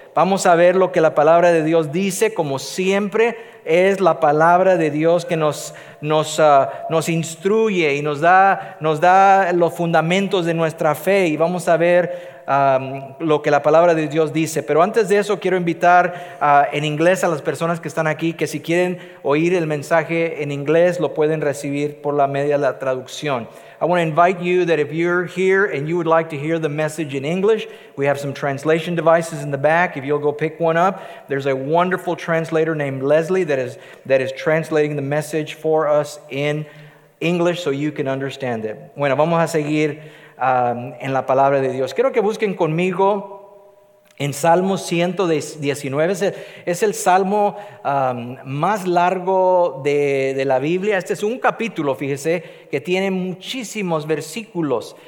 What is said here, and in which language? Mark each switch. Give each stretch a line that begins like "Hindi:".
Spanish: Vamos a ver lo que la palabra de Dios dice. Como siempre, es la palabra de Dios que nos instruye y nos da los fundamentos de nuestra fe. Y vamos a ver lo que la palabra de Dios dice. Pero antes de eso, quiero invitar en inglés a las personas que están aquí, que si quieren oír el mensaje en inglés, lo pueden recibir por la media de la traducción.
English: I want to invite you that if you're here and you would like to hear the message in English, we have some translation devices in the back. If you'll go pick one up, there's a wonderful translator named Leslie that is translating the message for us in English so you can understand it.
Spanish: Bueno, vamos a seguir en la palabra de Dios. Quiero que busquen conmigo en Salmo 119. Es el salmo más largo de la Biblia. Este es un capítulo, fíjese, que tiene muchísimos versículos.